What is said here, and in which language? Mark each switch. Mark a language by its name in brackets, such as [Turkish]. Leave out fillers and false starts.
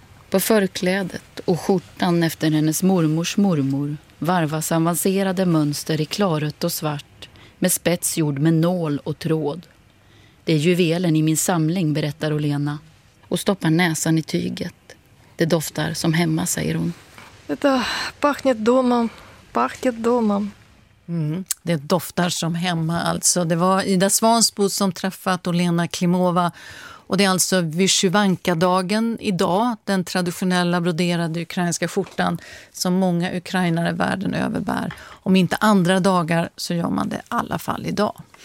[Swedish] På förklädet och skjortan efter hennes mormors mormor varvas avancerade mönster i klarrött och svart med spets gjord med nål och tråd. Det är juvelen i min samling, berättar Olena, och stoppar näsan i tyget. Det doftar som hemma, säger hon. Det [Russian] пахнет домом, пахнет домом. [Swedish] Det doftar som hemma alltså. Det var Ida Svansbo som träffat Olena Klimova. Och det är alltså vyshivanka-dagen idag, den traditionella broderade ukrainska skjortan som många ukrainare världen över bär. Om inte andra dagar så gör man det i alla fall idag.